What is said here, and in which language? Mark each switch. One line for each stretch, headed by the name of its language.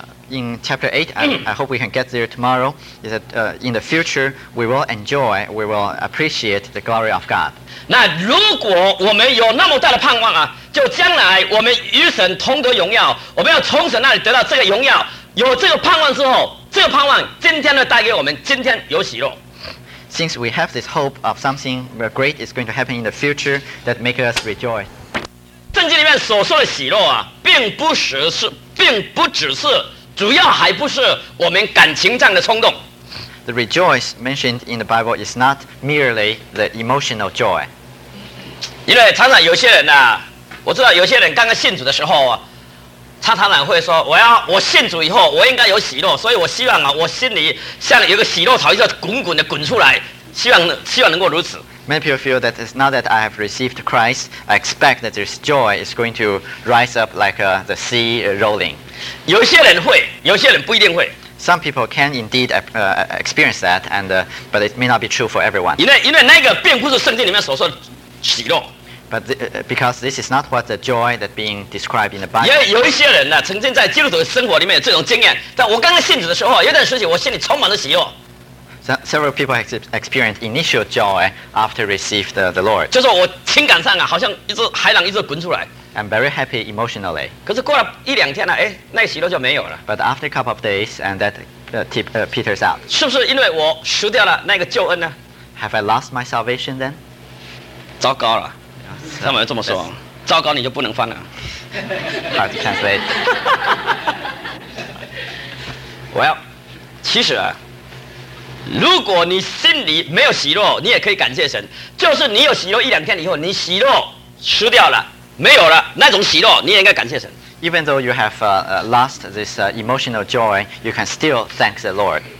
English: In chapter 8, I hope we can get there tomorrow. Is that in the future we will enjoy, we will appreciate the glory of God.
Chinese: 那如果我们有那么大的盼望啊，就将来我们与神同得荣耀，我们要从神那里得到这个荣耀。有这个盼望之后，这个盼望今天呢带给我们今天有喜乐。
English: Since we have this hope of something great is going to happen in the future that makes us rejoice.
Chinese: 圣经里面所说的喜乐啊，并不只是，主要还不是我们感情上的冲动。
English: The rejoice mentioned in the Bible is not merely the emotional joy.
Chinese: 因为常常有些人呢、啊，我知道有些人刚刚信主的时候啊，他常常会说，我信主以后我应该有喜乐，所以我希望啊，我心里像有个喜乐潮一样滚滚的滚出来，希望能够如此。
English: Many people feel that it's now that I have received Christ, I expect that this joy is going to rise up like the sea rolling.
Chinese: 有些人会，有些人不一定会。
English: Some people can indeed experience that, but it may not be true for everyone.
Chinese: 因为那个并不是圣经里面所说的喜乐。
English: But because this is not what the joy that being described in the Bible.
Chinese: 也有一些人呢、啊，曾经在基督徒生活里面有这种经验。但我刚刚信主的时候，有段时间我心里充满了喜乐。
English: Several people have experienced initial joy after received the Lord.
Chinese: 就是我情感上啊，好像一只海浪一直滚出来。
English: I'm very happy emotionally.
Chinese: 可是过了一两天呢、啊，哎，那个、喜乐就没有了。
English: But after a couple of days, and that peters out.
Chinese: 是不是因为我失掉了那个救恩呢
English: ？Have I lost my salvation then?
Chinese: 糟糕了。他们这么说，糟糕，你就不能翻了。
English: Hard to translate.
Chinese: Well, 其实啊，如果你心里没有喜乐，你也可以感谢神。就是你有喜乐一两天以后，你喜乐失掉了，没有了，那种喜乐，你也应该感谢神。
English: Even though you have lost this emotional joy, you can still thank the Lord.